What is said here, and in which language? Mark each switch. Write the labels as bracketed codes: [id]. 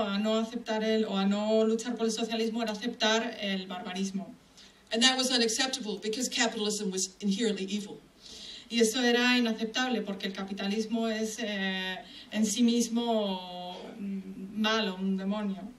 [es] A no aceptar el o a no luchar por el socialismo era aceptar el barbarismo. [en] And that was unacceptable because capitalism was inherently evil. [es] Y esto era inaceptable porque el capitalismo es en sí mismo malo, un demonio.